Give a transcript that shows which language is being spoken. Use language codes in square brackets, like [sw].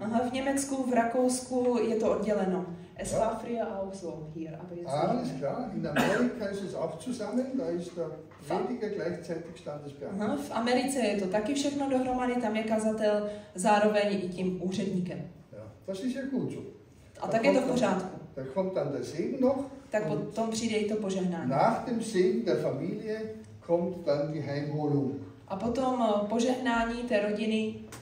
[cs] V Německu, v Rakousku je to odděleno. [de] Es war früher auch so hier, aber jetzt. Alles klar. In Amerika ist es auch zusammen, da ist der Prediger gleichzeitig Standesbeamter. [cs] Aha, v Americe je to taky všechno dohromady, tam je kazatel zároveň i tím úředníkem. [de] Ja, das ist ja gut so. [cs] A tak je to v pořádku. [de] Da kommt dann der Segen noch. [cs] Tak potom přijde i to požehnání. [de] Nach dem Segen der Familie kommt dann die Heimholung. [cs] A potom požehnání té rodiny.